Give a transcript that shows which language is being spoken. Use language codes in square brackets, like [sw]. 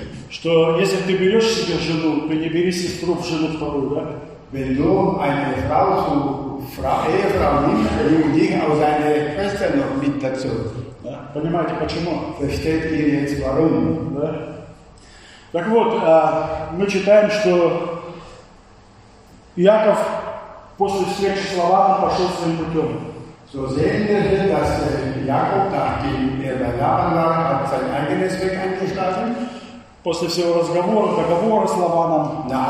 [ru] Что если ты берешь себе жену, то не бери сестру в жену вторую, да? [de] Wenn du eine Frau zu Ehefrau nimmst, nimm dich auch seine Schwester noch mit dazu. [ru] Понимаете почему? [de] Versteht ihr jetzt warum? [ru] Да. Так вот, мы читаем, что Яков после встречи с Лаваном пошел своим путем. [de] So sehen wir hier, dass Jakob, nachdem bei Laban war, hat sein eigenes Weg eingeschlagen. [ru] После всего разговора, договора с Лаваном.